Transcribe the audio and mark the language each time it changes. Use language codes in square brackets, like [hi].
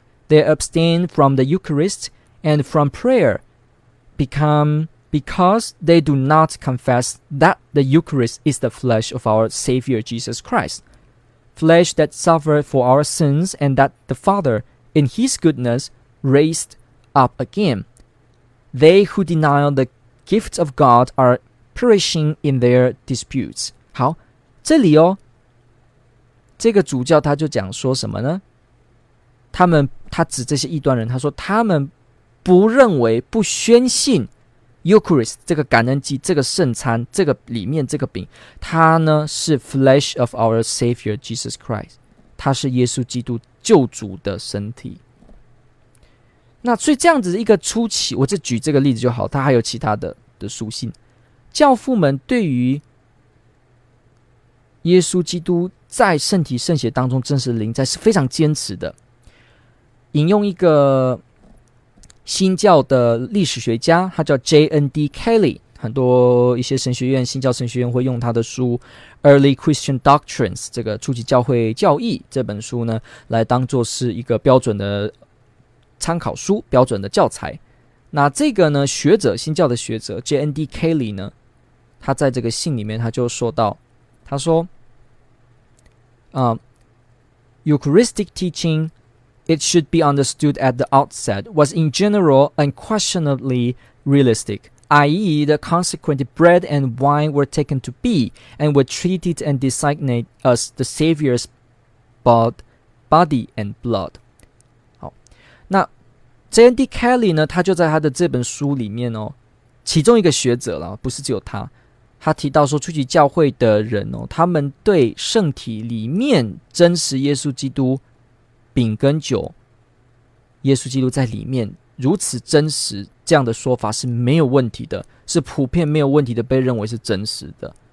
[en] They abstain from the Eucharist and from prayer because they do not confess that the Eucharist is the flesh of our Savior Jesus Christ. Flesh that suffered for our sins, and that the Father, in His goodness, raised up again. They who deny the gifts of God are perishing in their disputes. [zh] 好，这里哦，这个主教他就讲说什么呢？他指这些异端人，他说他们不认为、不宣信 Eucharist 这个感恩祭、这个圣餐、这个里面这个饼，它呢是 [en] flesh of our Savior Jesus Christ， [zh] 它是耶稣基督救主的身体。那所以这样子一个初期，我就举这个例子就好，他还有其他的书信，教父们对于耶稣基督在圣体圣血当中真实的临在是非常坚持的。引用一个新教的历史学家，他叫 J.N.D. Kelly，很多一些神学院、新教神学院会用他的书《Early Christian Doctrines》这个初级教会教义这本书呢，来当作是一个标准的参考书、标准的教材。那这个呢，学者、新教的学者 J.N.D. [en] Kelly 呢， [zh] 他在这个信里面他就说到，他说：“ [en] Eucharistic teaching, it should be understood at the outset, was in general unquestionably realistic.” i.e. the consequent bread and wine were taken to be and were treated and designated as the Savior's body and blood. [zh] 好，那 J.N.D. Kelly 呢，他就在他的这本书里面哦，其中一个学者啦，不是只有他，他提到说初期教会的人哦，他们对圣体里面真实耶稣基督饼跟酒，耶稣基督在里面如此真实，这样的说法是没有问题的，是普遍没有问题的，被认为是真实的。